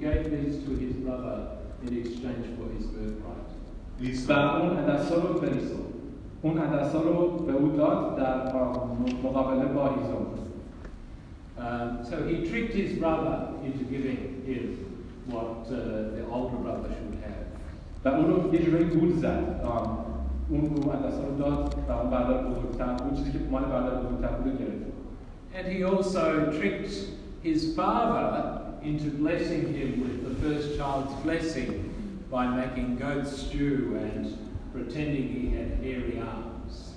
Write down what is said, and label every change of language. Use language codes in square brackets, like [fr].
[en] gave these to his brother in exchange for his birthright. [fa] اون عدسا رو به او داد در مقابله با هیزم. [en] So he tricked his brother into giving him what the older brother should have. [fa] و اون رو یه جوری گول زد. اون رو عدسا رو داد و اون برادر بزرگتر اون چیزی که مال برادر بزرگتر بود رو گرفت. [en] And he also tricked his father into blessing him with the first child's blessing by making goat stew and pretending he had hairy arms.